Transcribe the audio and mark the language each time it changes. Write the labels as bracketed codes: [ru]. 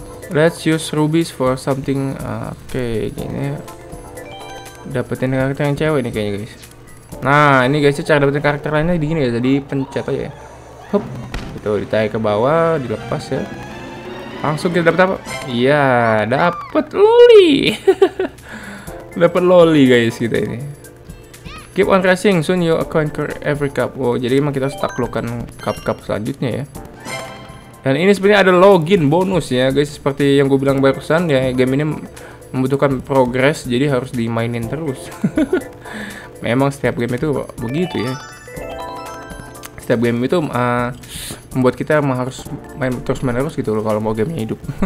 [en] Let's use rubies for something. [id] Oke, ini dapetin karakter yang cewek nih kayaknya, guys. Nah, ini guys, cara dapetin karakter lainnya di gini ya. Jadi pencet aja ya. Hop. Itu ditarik ke bawah, dilepas ya. Langsung kita dapat apa? Iya, dapat loli. Dapat loli guys kita ini. [en] Keep on racing, soon you'll conquer every cup. [id] Oh, jadi emang kita taklukkan cup-cup selanjutnya ya. Dan ini sebenarnya ada login bonus ya guys, seperti yang gue bilang barusan ya, game ini membutuhkan progres, jadi harus dimainin terus. Memang setiap game itu begitu ya. Setiap game itu membuat kita harus main terus-menerus gitu loh kalau mau gamenya hidup.